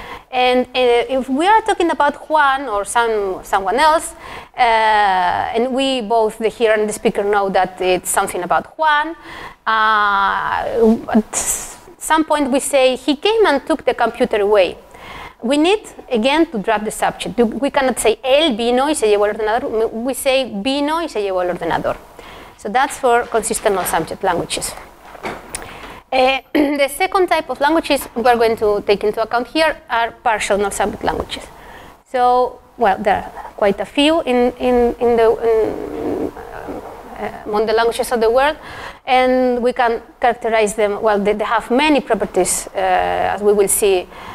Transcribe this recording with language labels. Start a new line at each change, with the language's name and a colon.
English: And if we are talking about Juan or someone else, and we both, the hearer and the speaker, know that it's something about Juan, at some point we say, he came and took the computer away. We need, again, to drop the subject. We cannot say,
Spanish: el vino y se llevó el ordenador.
English: We say,
Spanish: vino y se llevó el ordenador.
English: So that's for consistent non-subject languages. The second type of languages we're going to take into account here are partial non-subject languages. So, well, there are quite a few among the languages of the world, and we can characterize them, well, they have many properties, as we will see.